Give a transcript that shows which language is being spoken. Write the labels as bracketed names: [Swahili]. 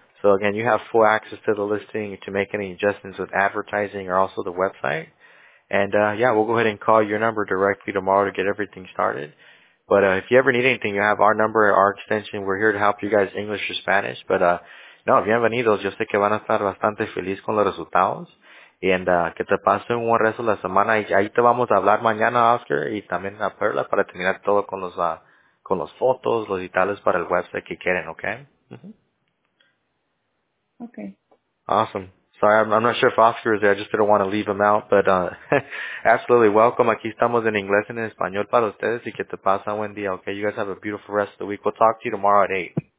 [English] So again, you have full access to the listing to make any adjustments with advertising or also the website. And, yeah, we'll go ahead and call your number directly tomorrow to get everything started. But if you ever need anything, you have our number, our extension. We're here to help you guys English or Spanish. [Spanish] But, no, bienvenidos. Yo sé que van a estar bastante feliz con los resultados. [English] And [Spanish] que te pase un buen resto de la semana. Y ahí te vamos a hablar mañana, Oscar, y también a Perla para terminar todo con los fotos, los digitales para el website que quieren, okay? [English] Mm-hmm. Okay. Awesome. Sorry, I'm not sure if Oscar is there. I just didn't want to leave him out. But absolutely welcome. [Spanish] Aquí estamos en inglés y en español para ustedes. Y que te pasa buen día, okay? [English] You guys have a beautiful rest of the week. We'll talk to you tomorrow at 8.